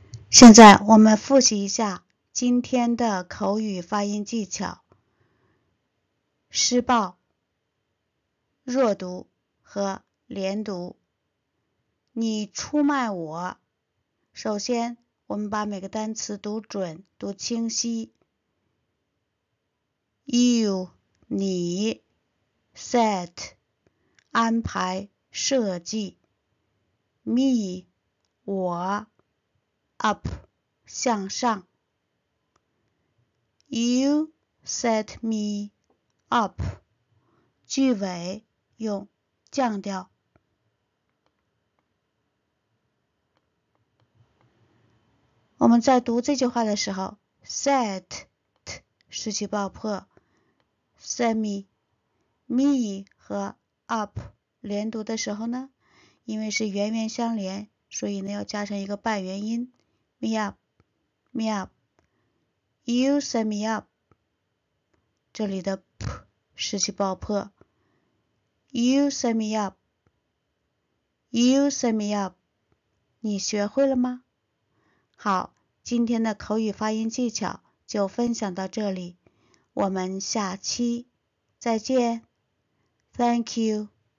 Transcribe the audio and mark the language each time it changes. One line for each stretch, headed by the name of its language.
Chinese: 现在我们复习一下今天的口语发音技巧：施暴、弱读和连读。你出卖我。首先，我们把每个单词读准、读清晰。
English: You
Chinese: 你
English: set
Chinese: 安排设计
English: me
Chinese: 我
English: up
Chinese: 向上
English: You set me up
Chinese: 句尾用降调。我们在读这句话的时候，set 失去爆破。 semi me 和 up 连读的时候呢，因为是元元相连，所以呢要加上一个半元音
English: me up me up。 You set me up
Chinese: 这里的
English: p
Chinese: 失去爆破。
English: You set me up you set me up
Chinese: 你学会了吗？好，今天的口语发音技巧就分享到这里，我们下期再见，
English: Thank you。